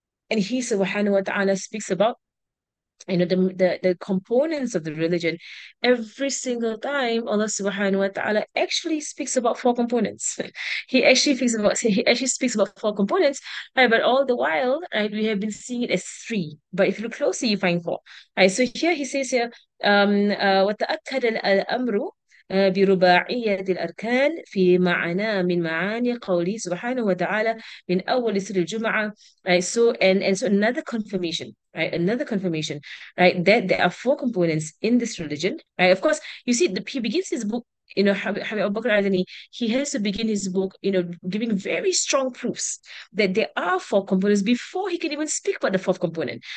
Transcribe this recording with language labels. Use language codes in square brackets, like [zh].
[en] And he subhanahu wa ta'ala speaks about, you know, the components of the religion. Every single time Allah subhanahu wa ta'ala actually speaks about four components. he actually speaks about four components, right? But all the while, right, we have been seeing it as three. But if you look closely, you find four. Right? So here he says here, [ar] وَتَأَكَّدَ الْأَمْرُ برباعية الأركان في معنى من معاني قوله سبحانه وتعالى من أول سورة الجمعة. [en] Right, so and so another confirmation, right? Another confirmation, right? That there are four components in this religion, right? Of course, you see, he begins his book, you know, Habib Abu Bakr al-Adani, he has to begin his book, you know, giving very strong proofs that there are four components before he can even speak about the fourth component.